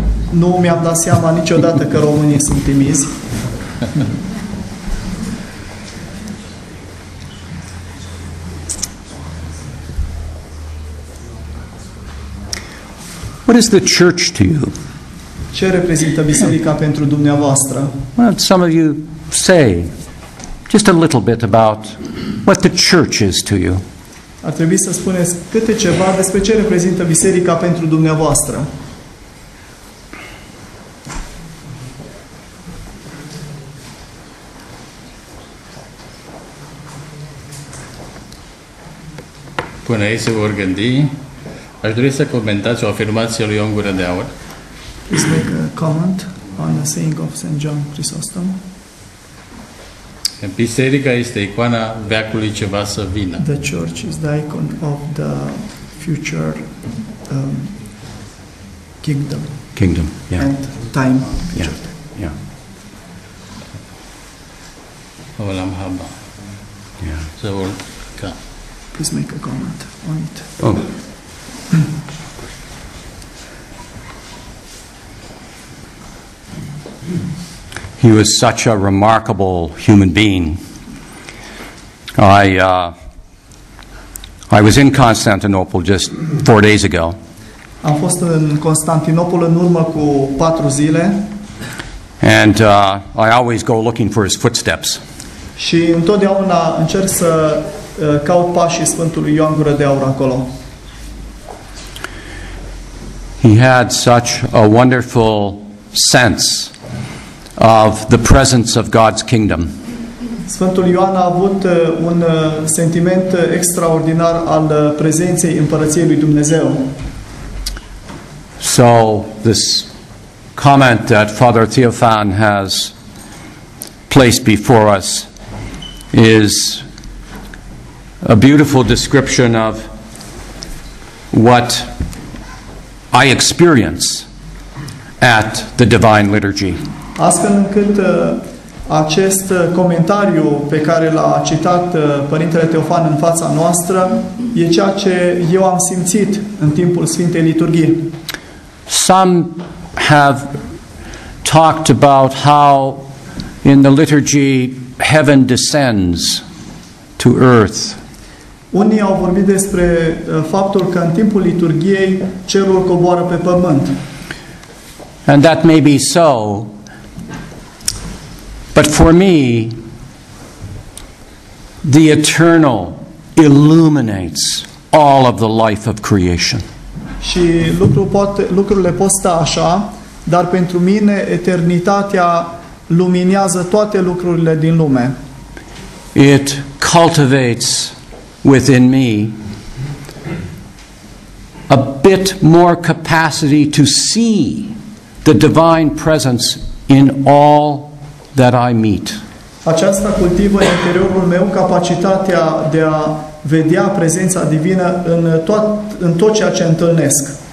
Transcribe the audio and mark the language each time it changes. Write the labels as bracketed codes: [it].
[ro] Nu mi-am dat seama niciodată că românii sunt timizi. [en] What is the church to you? [ro] Ce reprezintă biserica pentru dumneavoastră? [en] Well, some of you say just a little bit about what the church is to you. [ro] Ar trebui să spuneți câte ceva despre ce reprezintă biserica pentru dumneavoastră. Până ei se vor gândi, aș dori să comentați o afirmație lui Ion Gură de Aur. [en] Please make a comment on the saying of St. John Chrysostom. [ro] Biserica este icoana veacului ceva să vină. [en] The church is the icon of the future kingdom. Kingdom, yeah. And time. Yeah. Yeah. [he] Olam haba. [en] Yeah. So, ca. Please make a comment on it. Oh. He was such a remarkable human being. I was in Constantinople just 4 days ago. [ro] Am fost în Constantinopol în urmă cu 4 zile. [en] And I always go looking for his footsteps. [ro] Și întotdeauna încerc să caut pașii Sfântului Ioan Gură de Aur acolo. [en] He had such a wonderful sense of the presence of God's kingdom. [ro] Sfântul Ioan a avut un sentiment extraordinar al prezenței împărăției lui Dumnezeu. [en] So this comment that Father Theophan has placed before us is a beautiful description of what I experience at the Divine Liturgy. [ro] Astfel încât acest comentariu pe care l-a citat Părintele Teofan în fața noastră e ceea ce eu am simțit în timpul Sfintei Liturghii. [en] Some have talked about how in the liturgy heaven descends to earth. [ro] Unii au vorbit despre faptul că în timpul liturgiei cerul coboară pe pământ. [en] And that may be so. But for me, the eternal illuminates all of the life of creation. [ro] Și lucrurile pot sta așa, dar pentru mine eternitatea luminează toate lucrurile din lume. [en] It cultivates within me a bit more capacity to see the divine presence in all that I meet. [ro] Aceasta cultivă în interiorul meu capacitatea de a vedea prezența divină în tot ceea ce întâlnesc.